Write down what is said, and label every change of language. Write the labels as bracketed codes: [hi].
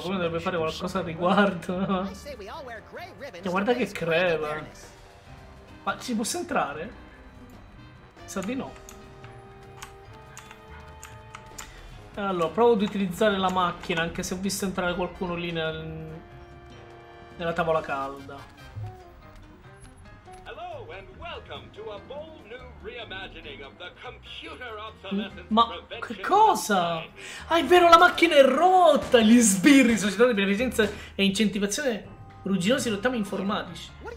[it] Come dovrebbe fare qualcosa al riguardo? No? Guarda che crepa. Ma ci posso entrare? Sa di no. Allora, provo ad utilizzare la macchina, anche se ho visto entrare qualcuno lì nella tavola calda. [en] Hello and welcome to a bold new reimagining of the computer [it] Ma che cosa? Ah, è vero, la macchina è rotta! Gli sbirri, società di beneficenza e incentivazione rugginosi rottami informatici.